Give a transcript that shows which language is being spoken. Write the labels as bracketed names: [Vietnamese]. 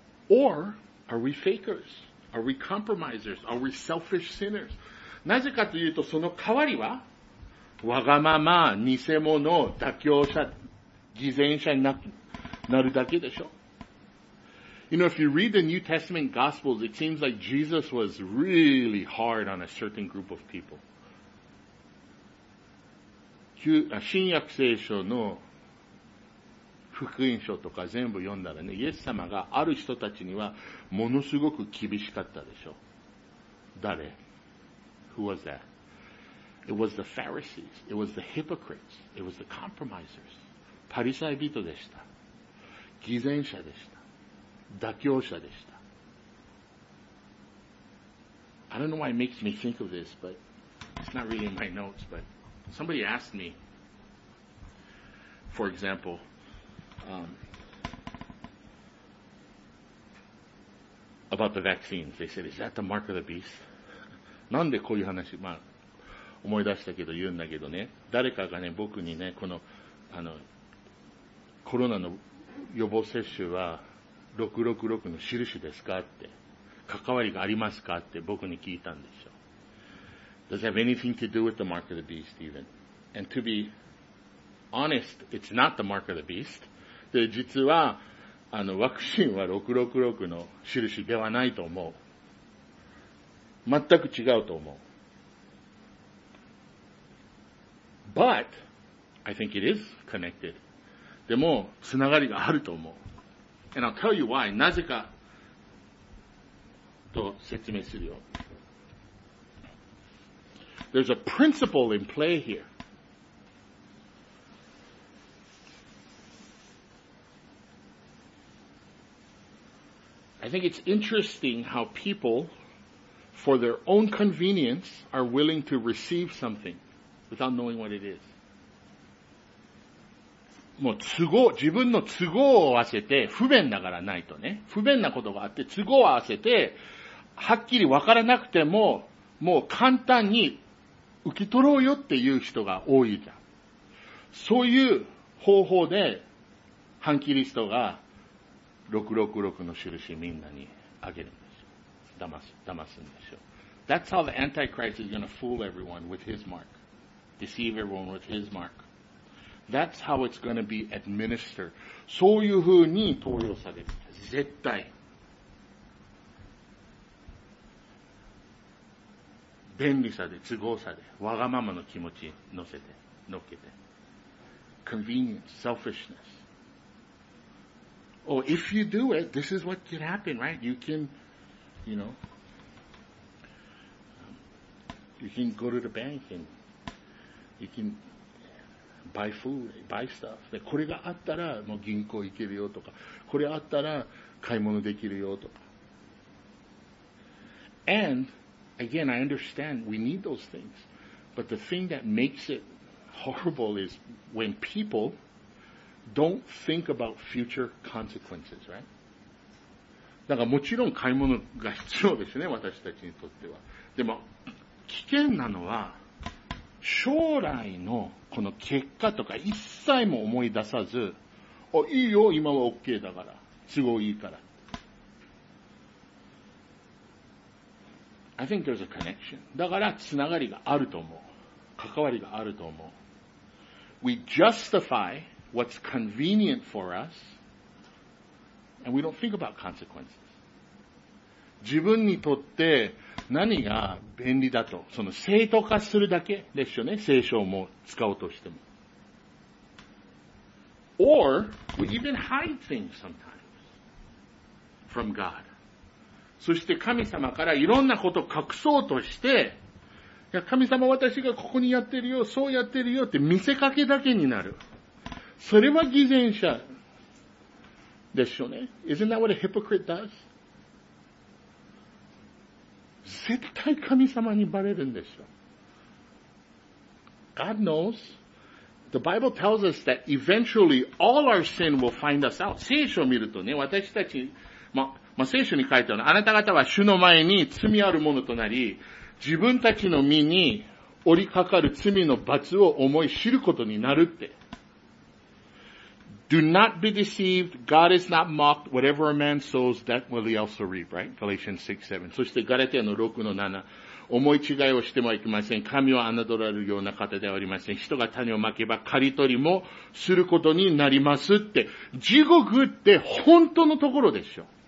[English] Or, are we fakers? Are we compromisers? Are we selfish sinners? [Japanese] なぜかというと、その代わりは、わがまま、偽物、妥協者、偽善者になるだけでしょ。 [English] You know, if you read the New Testament Gospels, it seems like Jesus was really hard on a certain group of people. [Japanese] 新約聖書の福音書とか全部読んだらね、イエス様がある人たちにはものすごく厳しかったでしょう。誰？ [English] Who was that? It was the Pharisees. It was the hypocrites. It was the compromisers. [Japanese] パリサイ人でした。偽善者でした。妥協者でした。 [English] I don't know why it makes me think of this, but it's not really in my notes, but somebody asked me, for example,about the vaccines. They said, is that the mark of the beast? [Japanese] なんでこういう話、まあ、思い出したけど言うんだけどね、誰かがね、僕にね、この、あの、コロナの予防接種は666の印ですかって、関わりがありますかって僕に聞いたんですよ。 [English] Does it have anything to do with the mark of the beast, even? And to be honest, it's not the mark of the beast. [Japanese] で、実は、あの、ワクチンは666の印ではないと思う。全く違うと思う。 [English] But, I think it is connected. [Japanese] でも、つながりがあると思う。 [English] And I'll tell you why, [Japanese] なぜか、と説明するよ。 [English] There's a principle in play here. I think it's interesting how people, for their own convenience, are willing to receive something without knowing what it is. [Japanese] もう都合、自分の都合を合わせて、不便だからないとね。不便なことがあって、都合を合わせて、はっきり分からなくても、もう簡単に受け取ろうよっていう人が多いじゃん。そういう方法で、反キリストが、666の印みんなにあげるんですよ。騙すんですよ。 [English] That's how the Antichrist is going to fool everyone with his mark. Deceive everyone with his mark. That's how it's going to be administered. [Japanese] そういうふうに投与される。絶対。便利さで、都合さで、わがままの気持ち乗せて、乗っけて。 [English] Convenience, selfishness. Oh, if you do it, this is what could happen, right? You can, you know, you can go to the bank and you can buy food, buy stuff. [Japanese] で、これがあったらもう銀行行けるよとか、これあったら買い物できるよとか。 [English] And, again, I understand we need those things. But the thing that makes it horrible is when peopleDon't think about future consequences, right? [Japanese] だからもちろん買い物が必要ですね、私たちにとっては。でも、危険なのは、将来のこの結果とか一切も思い出さず、お、いいよ、今は OK だから。都合いいから。 [English] I think there's a connection. [Japanese] だから、つながりがあると思う。関わりがあると思う。 [English] We justify,What's convenient for us, and we don't think about consequences. [Japanese] 自分にとって何が便利だと、その正当化するだけですよね、聖書も使おうとしても。 [English] Or, we even hide things sometimes from God. [Japanese] そして神様からいろんなことを隠そうとして、いや神様私がここにやってるよ、そうやってるよって見せかけだけになる。それは偽善者でしょうね。 [English] Isn't that what a hypocrite does? [Japanese] 絶対神様にバレるんですよ。 [English] God knows. The Bible tells us that eventually all our sin will find us out. [Japanese] 聖書を見るとね、私たち、まあ、聖書に書いてあるのは、あなた方は主の前に罪あるものとなり、自分たちの身に降りかかる罪の罰を思い知ることになるって。 [English] Do not be deceived. God is not mocked. Whatever a man sows, that will he also reap, right? Galatians 6:7. [Japanese] そしてガラテヤの 6-7. 思い違いをしてもいけません。神は侮られるような方ではありません。人が種をまけば刈り取りもすることになりますって。地獄って本当のところでしょ。